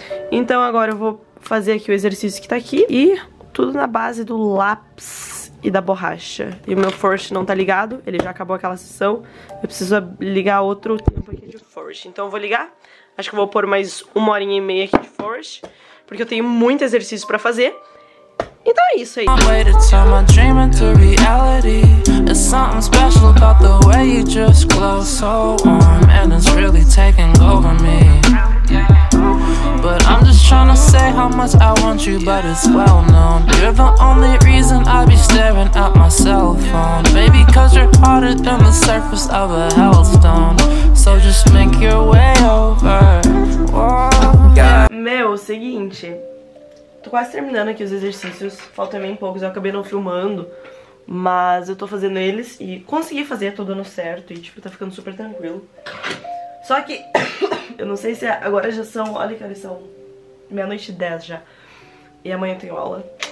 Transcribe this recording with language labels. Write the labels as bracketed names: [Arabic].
[Portuguese] Então agora eu vou fazer aqui o exercício que tá aqui. E tudo na base do lápis e da borracha. E o meu Forge não tá ligado, ele já acabou aquela sessão. Eu preciso ligar outro tempo aqui de Forge. Então eu vou ligar, acho que eu vou pôr mais uma horinha e meia aqui de Forge, porque eu tenho muito exercício pra fazer. Então é isso aí. [English] But I'm just tryna say how much I want you, but it's well known. You're the only reason I be staring at my cell phone. Baby, cause you're hotter than the surface of a hellstone. So just make your way over. [Portuguese] Meu, seguinte. Tô quase terminando aqui os exercícios, faltam bem poucos, eu acabei não filmando. Mas eu tô fazendo eles e consegui fazer, tô dando certo e tipo, tá ficando super tranquilo. Só que, eu não sei se é, agora já são, olha que horas são, 10:30 já. E amanhã eu tenho aula.